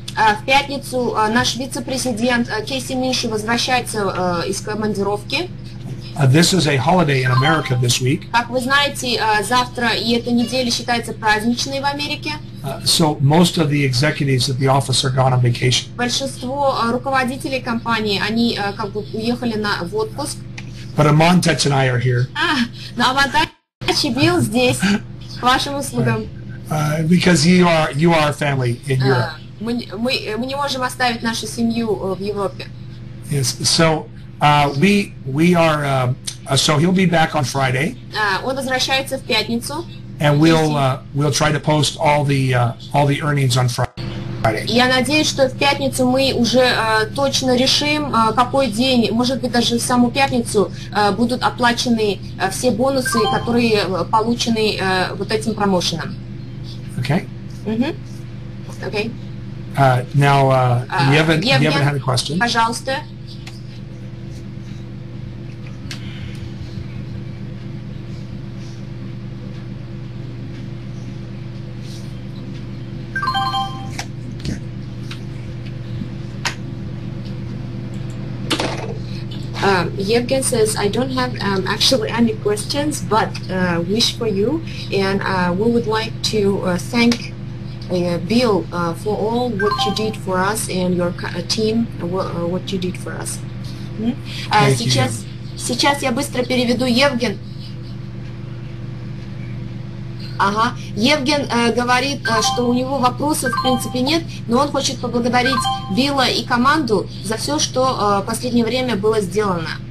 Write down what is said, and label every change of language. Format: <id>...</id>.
<ru>В пятницу наш вице-президент Кейси Миши возвращается из командировки.</ru> <en>This is a holiday in America this week.</en> <ru>Как вы знаете, завтра и эта неделя считается праздничной в Америке.</ru> <en>So most of the executives at the office are gone on vacation.</en> <ru>Большинство руководителей компании, они как бы уехали в отпуск.</ru> <en>But Amantech and I are here.</en> <ru>Но Амантач и Билл здесь, к вашим услугам.</ru> <en>Because you are family in Europe.</en> <ru>Мы не можем оставить нашу семью в Европе.</ru> <en>Yes, so we are, so he'll be back on Friday.</en> <ru>Он возвращается в пятницу.</ru> <en>And we'll try to post all the earnings on Friday.</en> <ru>Я надеюсь, что в пятницу мы уже точно решим, какой день, может быть, даже в саму пятницу будут оплачены все бонусы, которые получены вот этим промоушеном.</ru> <en>Okay. Mm-hmm. Okay. Now, Yevgen had a question.</en> <ru>Пожалуйста.</ru> <en>Yevgen says, I don't have actually any questions, but wish for you, and we would like to thank Bill, for all what you did for us and your team, what you did for us. Mm-hmm.</en> <ru>Сейчас я быстро переведу Евген. Ага. Евген говорит, что у него вопросов в принципе нет, но он хочет поблагодарить Билла и команду за все, что в последнее время было сделано.</ru>